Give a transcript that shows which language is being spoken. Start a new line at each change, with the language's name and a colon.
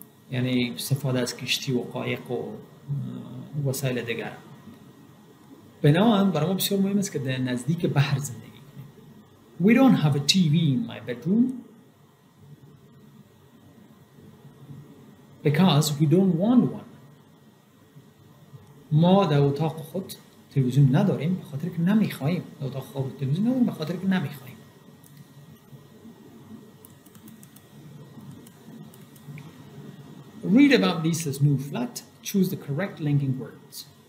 Persian: یعنی استفاده از کشتی و قایق و وسایل دیگر. بنابراین برای ما بسیار مهم است که در نزدیک بحر زندگی کنیم.
English: We don't have a TV in my bedroom because we don't want one.
Persian: ما در اتاق خود تلویزیون نداریم به خاطر که نمیخواییم. در اتاق خود تلویزیون نداریم به خاطر که نمیخواییم.
English: Read about Lisa's new flat. Choose the correct linking words.